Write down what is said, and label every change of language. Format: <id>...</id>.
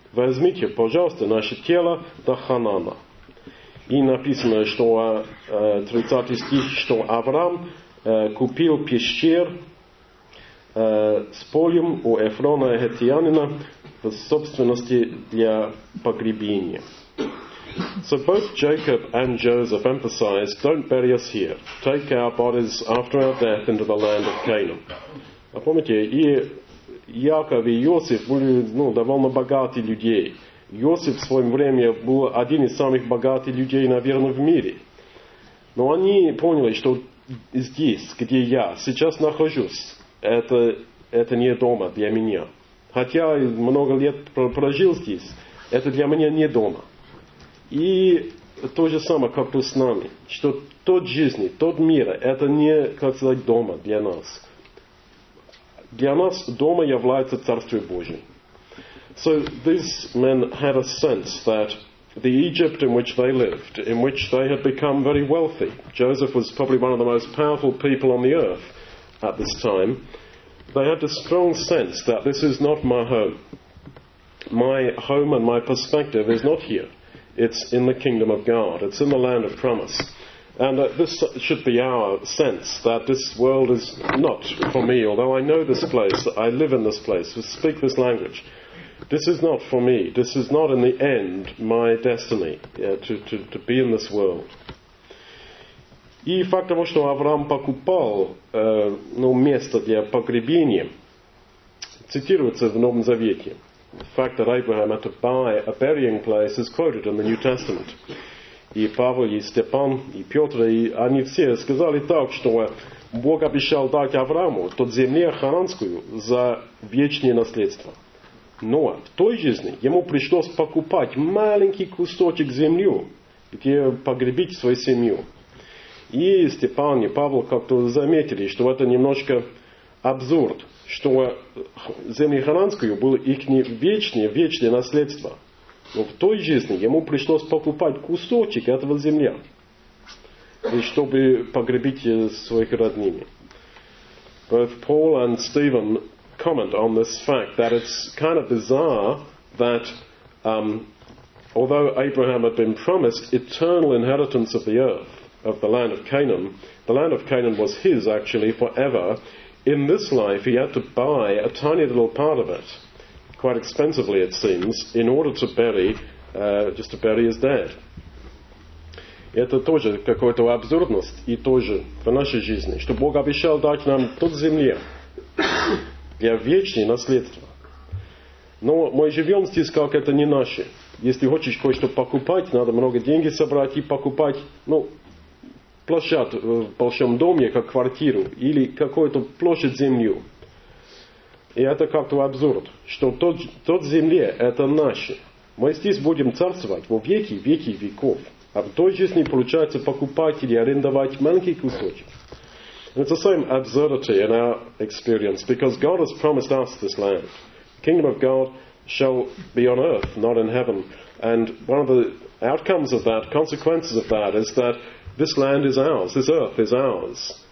<ru>Возьмите, пожалуйста, наше тело до Ханана. И написано, что 30 стих, что Авраам купил пещер с полем у Эфрона Хеттианина в собственности для погребения.</ru> <en>So both Jacob and Joseph emphasize, don't bury us here. Take our bodies after our death into the land of Canaan.</en> <ru>А помните, и Яков и Иосиф были, ну, довольно богатые людей. Иосиф в своем времени был один из самых богатых людей, наверное, в мире. Но они поняли, что здесь, где я сейчас нахожусь, это не дома для меня. Хотя много лет прожил здесь, это для меня не дома. И то же самое, как и с нами, что тот жизнь, тот мир, это не, как сказать, дома для нас. Для нас дома является Царство Божие.</ru> <en>So these men had a sense that the Egypt in which they lived, in which they had become very wealthy, Joseph was probably one of the most powerful people on the earth at this time, they had a strong sense that this is not my home. My home and my perspective is not here. It's in the kingdom of God. It's in the land of promise. And this should be our sense, that this world is not for me, although I know this place, I live in this place, I speak this language. This is not for me. This is not, in the end, my destiny, to be in this world.</en> <ru>И факт того, что Авраам покупал место для погребения, цитируется в Новом Завете.</ru> <en>The fact that Abraham had to buy a burying place is quoted in the New Testament.</en> <ru>И Павел, и Степан, и Петр, и они все сказали так, что Бог обещал дать Аврааму тот земле хананскую за вечное наследство. Но в той жизни ему пришлось покупать маленький кусочек земли, где погребить свою семью. И Степан и Павел как-то заметили, что это немножко абсурд, что земли хананскую было их вечное наследство. Но в той жизни ему пришлось покупать кусочек этого земля, чтобы погребить своих родными.</ru> <en>Both Paul and Stephen comment on this fact that it's kind of bizarre that although Abraham had been promised eternal inheritance of the earth, of the land of Canaan was his actually forever. In this life he had to buy a tiny little part of it, quite expensively it seems, in order to bury, just to bury his dad.</en> <ru>Это тоже какая-то абсурдность и тоже в нашей жизни, что Бог обещал дать нам тот земля для вечного наследства. Но мы живем здесь, как это не наше. Если хочешь кое-что покупать, надо много денег собрать и покупать, ну, площадь в большом доме, как квартиру, или какую-то площадь землю. И это как-то абсурд, что тот земля – это наше. Мы здесь будем царствовать во веки, веки, веков. А в той жизни получается покупать или арендовать маленький кусочек.</ru> <en>And it's the same absurdity in our experience, because God has promised us this land. The kingdom of God shall be on earth, not in heaven. And one of the outcomes of that, consequences of that, is that this land is ours, this earth is ours.</en>